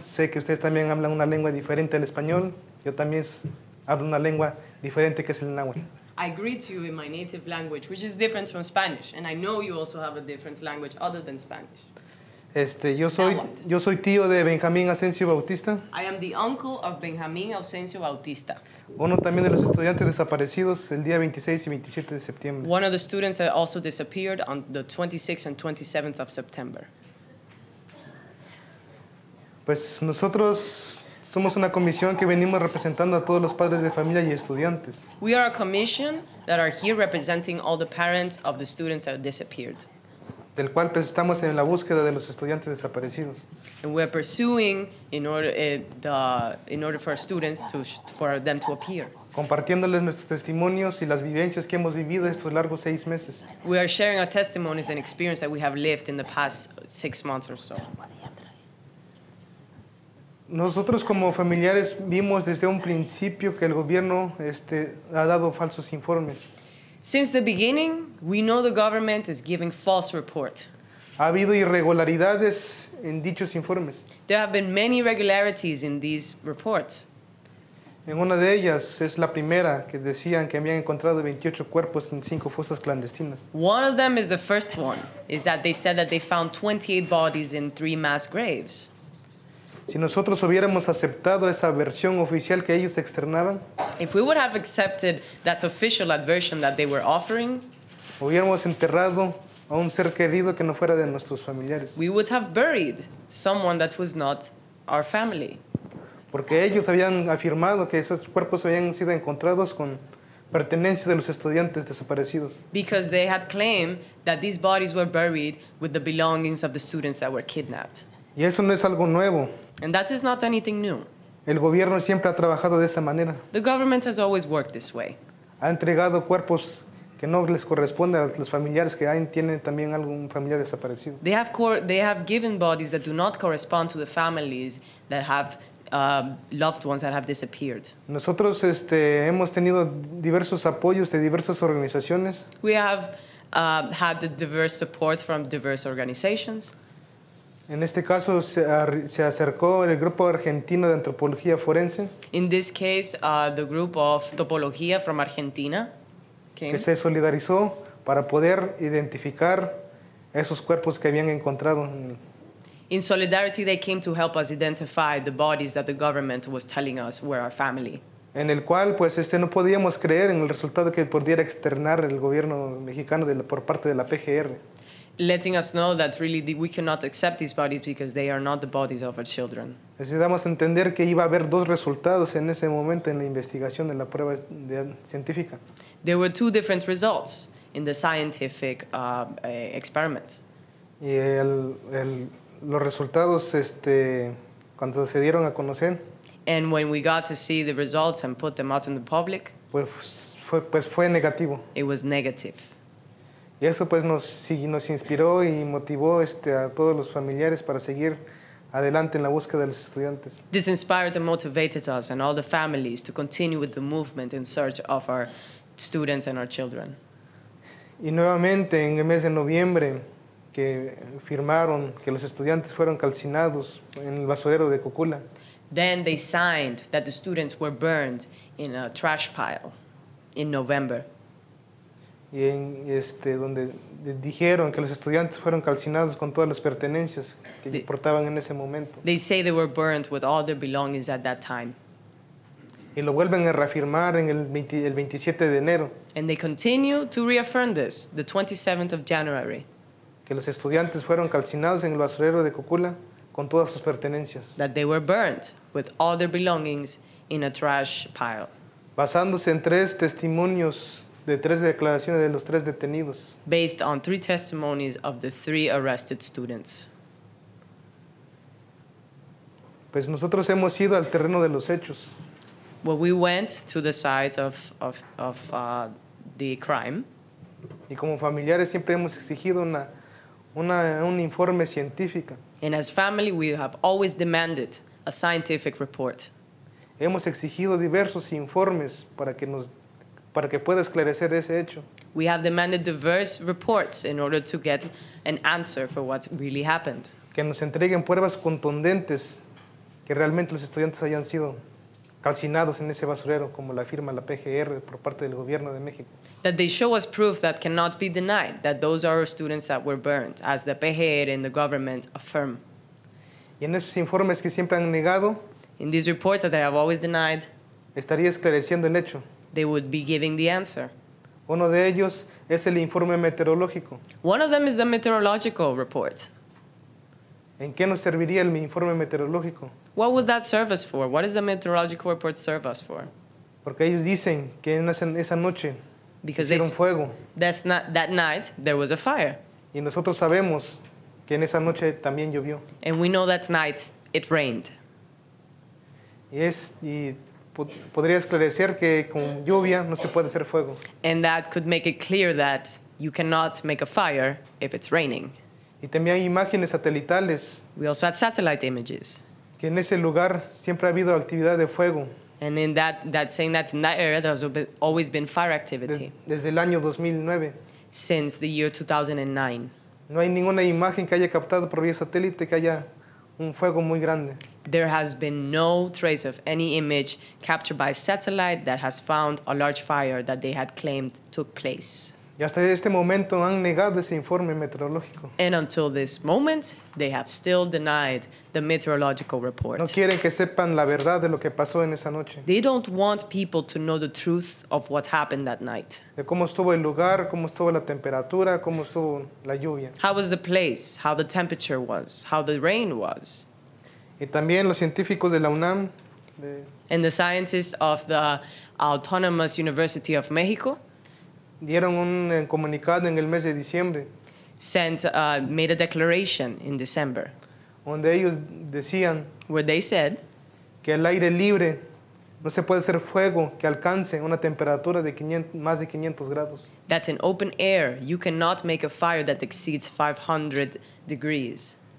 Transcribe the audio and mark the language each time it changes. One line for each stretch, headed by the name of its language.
Spanish: Sé que ustedes también hablan una lengua diferente al español. Yo también hablo una lengua diferente que es el náhuatl.
English: I greet you in my native language, which is different from Spanish, and I know you also have a different language other than Spanish.
Spanish: Yo soy tío de Benjamín Asensio Bautista.
English: I am the uncle of Benjamín Asensio Bautista.
Spanish: Uno también de los estudiantes desaparecidos el día 26 y 27 de septiembre.
English: One of the students that also disappeared on the 26th and 27th of September.
Spanish: Pues nosotros somos una comisión que venimos representando a todos los padres de familia y estudiantes.
English: We are a commission that are here representing all the parents of the students that disappeared.
Spanish: Del cual pues estamos en la búsqueda de los estudiantes desaparecidos.
English: And we're pursuing in order for students for them to appear.
Spanish: Compartiéndoles nuestros testimonios y las vivencias que hemos vivido estos largos seis meses.
English: We are sharing our testimonies and experience that we have lived in the past 6 months or so.
Spanish: Nosotros como familiares vimos desde un principio que el gobierno ha dado falsos informes.
English: Since the beginning, we know the government is giving false reports.
Spanish: Ha habido irregularidades en dichos informes.
English: There have been many irregularities in these reports.
Spanish: En una de ellas es la primera que decían que habían encontrado 28 cuerpos en 5 fosas clandestinas.
English: One of them is the first one, is that they said that they found 28 bodies in 3 mass graves.
Spanish: Si nosotros hubiéramos aceptado esa versión oficial que ellos externaban,
English: if we would have accepted that official version that they were offering,
Spanish: hubiéramos enterrado a un ser querido que no fuera de nuestros familiares.
English: We would have buried someone that was not our family.
Spanish: Porque ellos habían afirmado que esos cuerpos habían sido encontrados con pertenencias de los estudiantes desaparecidos.
English: Because they had claimed that these bodies were buried with the belongings of the students that were kidnapped.
Spanish: Y eso no es algo nuevo.
English: And that is not anything new.
Spanish: El gobierno siempre ha trabajado de esa manera.
English: The government has always worked this way.
Spanish: Ha entregado cuerpos que no les corresponden a los familiares que tienen también algún familiar desaparecido.
English: They have given bodies that do not correspond to the families that have loved ones that have disappeared.
Spanish: Nosotros hemos tenido diversos apoyos de diversas organizaciones.
English: We have had the diverse support from diverse organizations.
Spanish: En este caso se acercó el grupo argentino de antropología forense.
English: In this case, the group of topología from Argentina came.
Spanish: Que se solidarizó para poder identificar esos cuerpos que habían encontrado.
English: In solidarity, they came to help us identify the bodies that the government was telling us were our family.
Spanish: En el cual, pues, no podíamos creer en el resultado que pudiera externar el gobierno mexicano por parte de la PGR.
English: Letting us know that really we cannot accept these bodies because they are not the bodies of our children.
Spanish: Necesitamos entender que iba a haber dos resultados en ese momento en la investigación de la prueba científica.
English: There were two different results in the scientific experiment.
Spanish: Y los resultados cuando se dieron a conocer.
English: And when we got to see the results and put them out in the public.
Spanish: Pues fue negativo.
English: It was negative.
Spanish: Y eso pues nos inspiró y motivó a todos los familiares para seguir adelante en la búsqueda de los estudiantes.
English: This inspired and motivated us and all the families to continue with the movement in search of our students and our children.
Spanish: Y nuevamente en el mes de noviembre que firmaron que los estudiantes fueron calcinados en el basurero de Cocula.
English: Then they signed that the students were burned in a trash pile in November.
Spanish: Y en este donde dijeron que los estudiantes fueron calcinados con todas las pertenencias que portaban en ese momento.
English: They say they were burned with all their belongings at that time.
Spanish: Y lo vuelven a reafirmar en el 27 de enero.
English: And they continue to reaffirm this, the 27th of January.
Spanish: Que los estudiantes fueron calcinados en el basurero de Cocula con todas sus pertenencias.
English: That they were burned with all their belongings in a trash pile.
Spanish: Basándose en tres testimonios de tres declaraciones de los tres detenidos.
English: Based on three testimonies of the three arrested students.
Spanish: Pues nosotros hemos ido al terreno de los hechos.
English: Well, we went to the site of the crime.
Spanish: Y como familiares siempre hemos exigido un informe científico.
English: And as family, we have always demanded a scientific report.
Spanish: Hemos exigido diversos informes para que pueda esclarecer ese hecho.
English: We have demanded diverse reports in order to get an answer for what really happened.
Spanish: Que nos entreguen pruebas contundentes que realmente los estudiantes hayan sido calcinados en ese basurero, como lo afirma la PGR por parte del gobierno de México.
English: That they show us proof that cannot be denied, that those are our students that were burned, as the PGR and the government affirm.
Spanish: Y en esos informes que siempre han negado,
English: in these reports that they have always denied,
Spanish: estaría esclareciendo el hecho.
English: They would be giving the answer.
Spanish: Uno de ellos es el informe meteorológico.
English: One of them is the meteorological report.
Spanish: ¿En qué nos serviría el informe meteorológico?
English: What would that serve us for? What does the meteorological report serve us for?
Spanish: Porque ellos dicen que en esa noche
English: because
Spanish: hicieron fuego.
English: That's not, that night there was a fire.
Spanish: Y nosotros sabemos que en esa noche también llovió.
English: And we know that night it rained.
Spanish: Y podría esclarecer que con lluvia no se puede hacer fuego.
English: And that could make it clear that you cannot make a fire if it's raining.
Spanish: Y también hay imágenes satelitales.
English: We also had satellite images.
Spanish: Que en ese lugar siempre ha habido actividad de fuego.
English: And in that saying that in that area there's always been fire activity.
Spanish: Desde el año 2009.
English: Since the year 2009.
Spanish: No hay ninguna imagen que haya captado por vía satélite que haya un fuego muy grande.
English: There has been no trace of any image captured by satellite that has found a large fire that they had claimed took place.
Spanish: Y hasta este momento han negado ese informe meteorológico.
English: And until this moment, they have still denied the meteorological report.
Spanish: No quieren que sepan la verdad de lo que pasó en esa noche.
English: They don't want people to know the truth of what happened that night.
Spanish: De cómo estuvo el lugar, cómo estuvo la temperatura, cómo estuvo la lluvia.
English: How was the place, how the temperature was, how the rain was.
Spanish: Y también los científicos de la UNAM.
English: And the scientists of the Autonomous University of Mexico.
Spanish: Dieron un comunicado en el mes de diciembre.
English: Made a declaration in December.
Spanish: Donde ellos decían.
English: Where they said.
Spanish: Que el aire libre no se puede hacer fuego que alcance una temperatura de 500, más de 500 grados.
English: That in open air you cannot make a fire that exceeds 500 degrees.